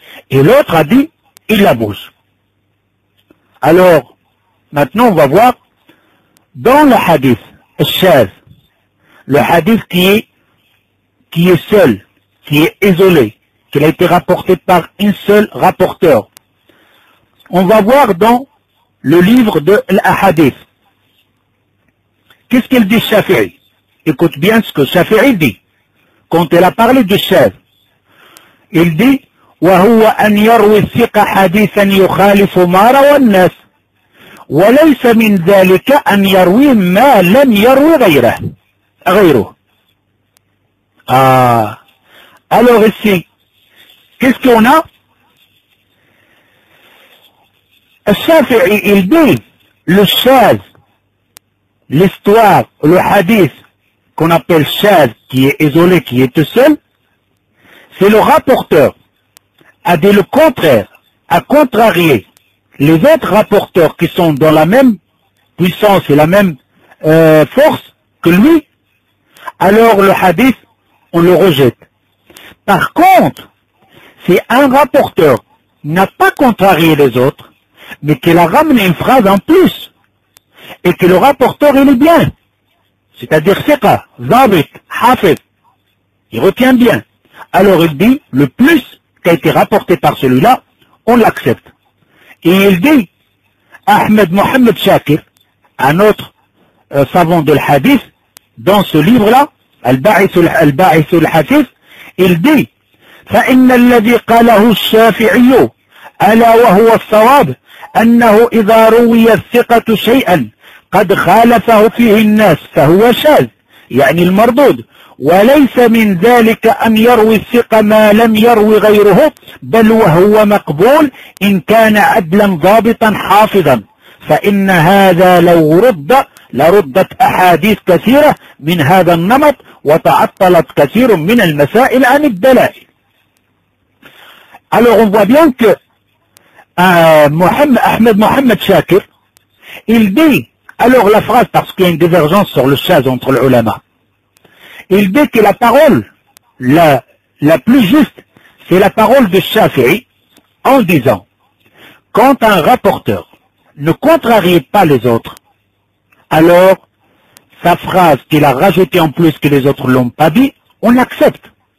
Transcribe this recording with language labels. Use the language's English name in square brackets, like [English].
[French] Et l'autre a dit, il la bouge. Alors, maintenant, on va voir, dans le hadith, Al-Shaz, le hadith qui est seul, qui est isolé, qu'il a été rapporté par un seul rapporteur. On va voir dans le livre de l'Ahadith. Qu'est-ce qu'il dit Shafi'i? Écoute bien ce que Shafi'i dit. Quand il a parlé du chef, il dit, [Arabic] وَهُوَ أَنْ يَرْوِ الثِّقَ حَدِيثًا يُخَالِفُ مَا رَوَى النَّاسِ وَلَيْسَ مِنْ ذَلِكَ أَنْ يَرْوِ مَا لَمْ يَرْوِ غَيْرُهُ. [French] Ah. Alors ici, qu'est-ce qu'on a? Al-Shafi'i, il dit, le Shaz, l'histoire, le hadith, qu'on appelle Shaz, qui est isolé, qui est tout seul, c'est le rapporteur, a dit le contraire, a contrarié les autres rapporteurs qui sont dans la même puissance et la même force que lui, alors le hadith, on le rejette. Par contre, si un rapporteur n'a pas contrarié les autres, mais qu'il a ramené une phrase en plus, et que le rapporteur, il est bien, c'est-à-dire Sika, Zabit, Hafid, il retient bien, alors il dit, le plus qui a été rapporté par celui-là, on l'accepte. Et il dit, Ahmed Mohamed Shakir, un autre savant de l'hadith, dans ce livre-là, Al-Ba'ith al-Hadith, il dit, [Arabic] فإن الذي قاله الشافعي ألا وهو الصواب أنه إذا روي الثقة شيئا قد خالفه فيه الناس فهو شاذ يعني المردود وليس من ذلك أن يروي الثقة ما لم يروي غيره بل وهو مقبول إن كان عدلا ضابطا حافظا فإن هذا لو رد لردت أحاديث كثيرة من هذا النمط وتعطلت كثير من المسائل عن الدلائل. [French] Alors on voit bien que Ahmed Mohamed Shakir, il dit, alors la phrase, parce qu'il y a une divergence sur le chaz entre les ulama, il dit que la parole la plus juste, c'est la parole de Shafi'i, en disant, quand un rapporteur ne contrarie pas les autres, alors sa phrase qu'il a rajoutée en plus que les autres l'ont pas dit, on l'accepte.